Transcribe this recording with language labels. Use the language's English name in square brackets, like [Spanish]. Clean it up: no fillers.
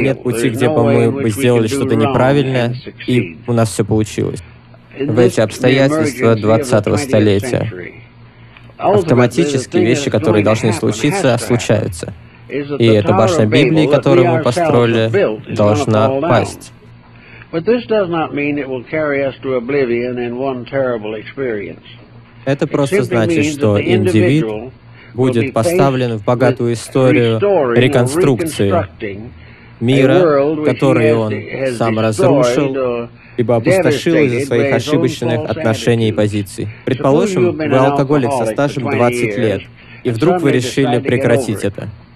[Russian] Нет пути, где бы мы сделали что-то неправильно, и у нас все получилось. В эти обстоятельства 20-го столетия автоматически вещи, которые должны случиться, случаются. И эта башня Библии, которую мы построили, должна пасть. [English] But this does not mean it will carry us to oblivion in one terrible experience. [Russian] Это просто значит, что индивид будет поставлен в богатую историю реконструкции мира, который он сам разрушил, либо опустошил из-за своих ошибочных отношений и позиций. Предположим, вы алкоголик со стажем 20 лет, и вдруг вы решили прекратить это.